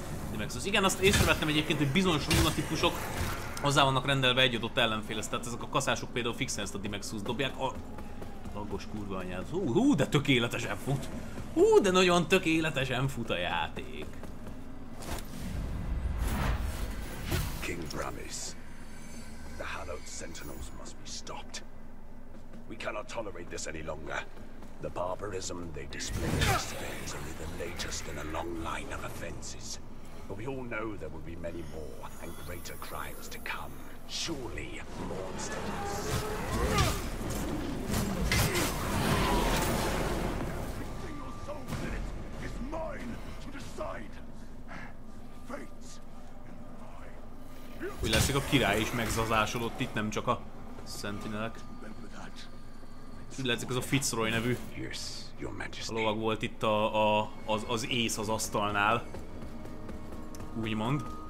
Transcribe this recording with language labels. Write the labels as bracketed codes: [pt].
[hu] Dimexus. Igen, azt észrevettem egyébként, hogy bizonyos lunatikusok hozzá vannak rendelve egy adott ellenfélhez. Tehát ezek a kaszások például fixen ezt a Dimexus dobják. A lagos kurva anyád. Hú, de tökéletesen fut. Hú, de nagyon tökéletesen fut a játék. [en] King Bramis. The hallowed sentinels must be stopped. We cannot tolerate this any longer. The barbarism they display yesterday is only the latest in a long line of offenses. But we all know there will be many more and greater crimes to come. Surely, monsters. Everything your soul did it is mine to decide. Fate and I. [hu] Úgy látszik, a király is megzazásodott itt, nem csak a sentinelek. Úgy látszik, ez a Fitzroy nevű a lovag volt itt az ész az asztalnál. Úgymond.